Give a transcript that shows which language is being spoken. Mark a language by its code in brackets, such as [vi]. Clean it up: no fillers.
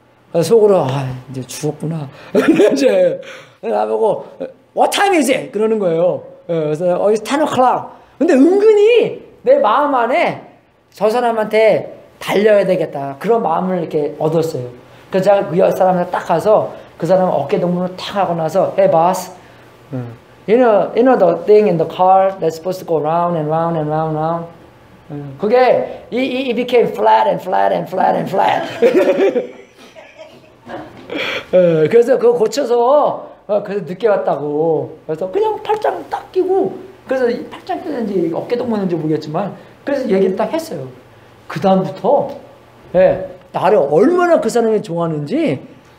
[ko] 그래서 속으로 아 이제 죽었구나 이제 나보고 [en] What time is it? [ko] 그러는 거예요. 그래서 어 [en] It's 10 o'clock. [ko] 근데 은근히 내 마음 안에 저 사람한테 달려야 되겠다 그런 마음을 이렇게 얻었어요. 그래서 제가 그 사람한테 딱 가서 그 사람 어깨 동무를 탁 하고 나서 [en] Hey boss. You know the thing in the car that's supposed to go round and round and round and round. [ko] 그게 [en] it became flat and flat and flat and flat. [ko] 그래서 그거 고쳐서 그래서 늦게 왔다고. 그래서 그냥 팔짱 딱 끼고 그래서 팔짱 끼는지 어깨 동무인지 모르겠지만 그래서 얘기를 딱 했어요. 그 다음부터 예 나를 얼마나 그 사람이 좋아하는지.